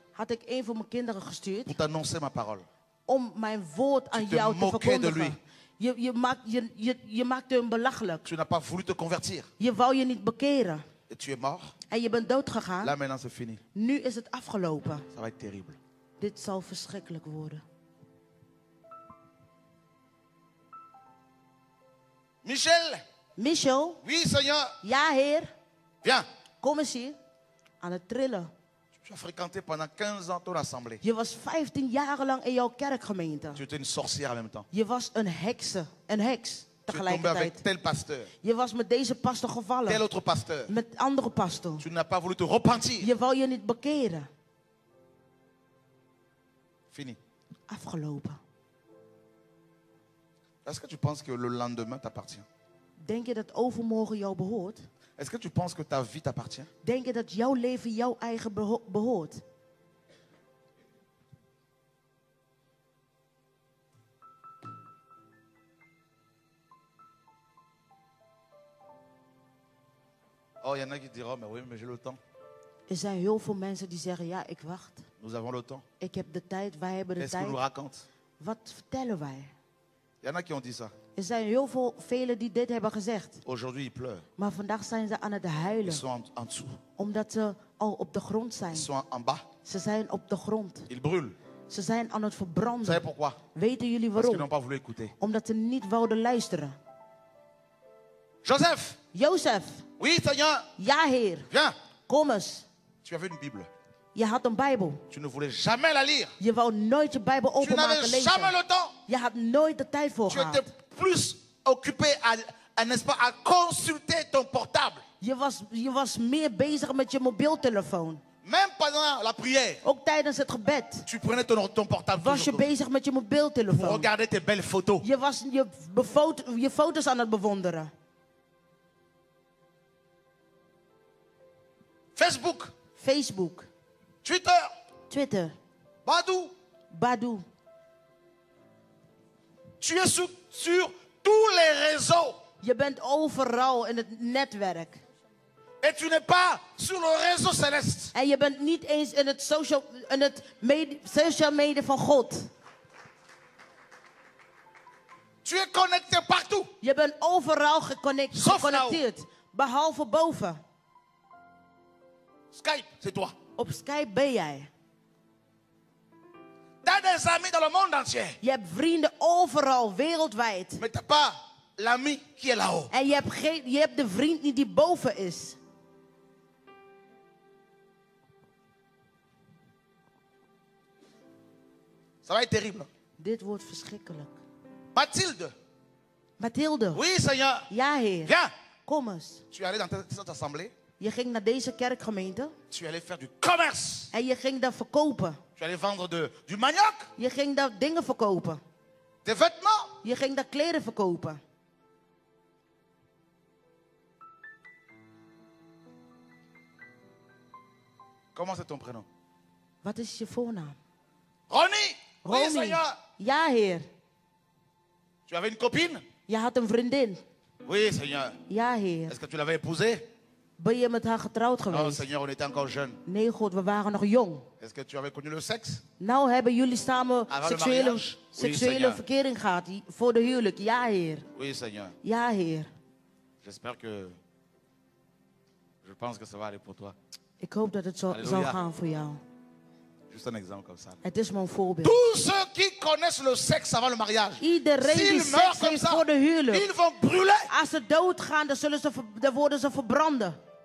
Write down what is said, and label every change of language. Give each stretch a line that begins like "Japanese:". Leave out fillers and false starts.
Dutch: Had ik een van mijn kinderen gestuurd.
French: Pour t'annoncer ma parole.
Dutch: Om mijn woord aan jou te verkondigen. De lui. Je maakte hem belachelijk.
French: Tu n'as pas voulu te convertir.
Dutch: Je wou je niet bekeren.
French: Et tu es mort.
Dutch: En je bent dood gegaan.
French: Là maintenant c'est fini.
Dutch: Nu is het afgelopen.
French: Ça va être terrible.
Dutch: Dit zal verschrikkelijk worden. Michel. Michel.
French: Oui, Seigneur.
Dutch: Ja, Heer.
French: Viens.
Dutch: Kom eens hier. Aan het trillen.
French: Tu as fréquenté pendant 15 ans ton assemblée.
Dutch: Je was 15 jaar lang in jouw kerkgemeente.
French: Tu étais une sorcière en même temps.
Dutch: Je was een heks. Een heks. Tegelijkertijd.
French: Tu es tombé avec tel pasteur.
Dutch: Je was met deze pasteur gevallen.
French: Tel autre pasteur.
Dutch: Met andere pasteur.
French: Tu n'as pas voulu te repentir.
Dutch: Je wou je niet bekeren.
French: Fini.
Dutch: Afgelopen.
French: Est-ce que tu penses que le lendemain t'appartient?
Dutch: Denk je dat overmorgen jou behoort?
French: Est-ce que tu penses que ta vie t'appartient?
Dutch: Denk je dat jouw leven jouw eigen behoort?
French: Oh, il y en a qui diront, mais oui, mais j'ai le temps.
Dutch: Er zijn heel veel mensen die zeggen, ja, ik wacht.
French: Nous avons le temps.
Dutch: Ik heb de tijd, wij hebben de
French: Qu'est-ce
Dutch: tijd.
French: Qu'est-ce qu'on nous raconte?
Dutch: Wat vertellen wij?
French: Il y en a qui ont dit ça.
Dutch: Er zijn heel veel velen die dit hebben gezegd.
French: Aujourd'hui, ils pleurent.
Dutch: Maar vandaag zijn ze aan het huilen.
French: Ils sont en dessous.
Dutch: Omdat ze al op de grond zijn.
French: Ils sont en bas.
Dutch: Ze zijn op de grond.
French: Ils brûlent.
Dutch: Ze zijn aan het verbranden.
French: Vous savez pourquoi?
Dutch: Weten jullie waarom?
French: Parce qu'ils n'ont pas voulu écouter.
Dutch: Omdat ze niet wouden luisteren. Joseph. Jozef.
French: Oui, Seigneur.
Dutch: Ja, Heer.
French: Viens.
Dutch: Kom eens.
French: Tu avais une Bible.
Dutch: Je had een Bijbel.
French: Tu ne voulais jamais la lire.
Dutch: Je wou nooit je Bijbel openmaken lezen.
French: Tu n'avais jamais le temps.
Dutch: Je had nooit de tijd voor gehad.
French: Tu étais plus occupé à consulter ton portable.
Dutch: Je was meer bezig met je mobieltelefoon.
French: Même pendant la prière.
Dutch: Ook tijdens het gebed.
French: Tu prenais ton portable.
Dutch: Was je bezig met je mobieltelefoon.
French: Pour regarder tes belles photos.
Dutch: Je was je foto's aan het bewonderen. Facebook. Facebook. Twitter. Badou.
French: Tu es sur tous les réseaux.
Dutch: Je bent overal in het netwerk.
French: Et tu n'es pas sur le réseau céleste.
Dutch: En je bent niet eens in het social media van God.
French: Tu es connecté partout.
Dutch: Je bent overal geconnecteerd. Behalve boven.
French: Skype, c'est toi.
Dutch: Op Skype ben jij.
French: T'as des amis dans le monde entier.
Dutch: Je hebt vrienden overal, wereldwijd.
French: Mais t'as pas l'ami qui est là-haut.
Dutch: En je hebt de vriend niet die boven is.
French: Ça va être terrible.
Dutch: Dit wordt verschrikkelijk. Mathilde. Mathilde.
French: Oui, Seigneur.
Dutch: Ja, Heer.
French: Viens.
Dutch: Kom eens.
French: Tu es allé dans cette assemblée.
Dutch: Je ging naar deze kerkgemeente.
French: Tu allais faire du commerce.
Dutch: En je ging daar verkopen.
French: Tu allais vendre du manioc.
Dutch: Je ging daar dingen verkopen.
French: Des vêtements.
Dutch: Je ging daar kleren verkopen.
French: Comment c'est ton prénom?
Dutch: Wat is je voornaam? Ronnie. Ronnie.
French: Oui, Seigneur.
Dutch: Ja, Heer.
French: Tu avais une copine?
Dutch: Je had een vriendin.
French: Oui, Seigneur.
Dutch: Ja, Heer.
French: Est-ce que tu l'avais épousée?
Dutch: Ben je met haar getrouwd geweest?
French: Oh, Seigneur, on était encore jeune.
Dutch: Nee, God, we waren nog jong. Est-ce que tu avais connu le sexe? Nou, hebben jullie samen seksuele verkering gehad voor de huwelijk? Ja, Heer.
French: Oui, Seigneur.
Dutch: Ja, Heer.
French: J'espère que... Je pense que ça va aller pour toi.
Dutch: Ik hoop dat het zo zal gaan voor jou.
French: Juste un exemple comme ça.
Dutch: Het is mon voorbeeld.
French: Tous ceux qui connaissent le sexe avant le mariage.
Dutch: Iedereen die seks heeft voor de huwelijk.
French: Ils vont brûler.
Dutch: Als ze doodgaan, dan worden ze verbranden.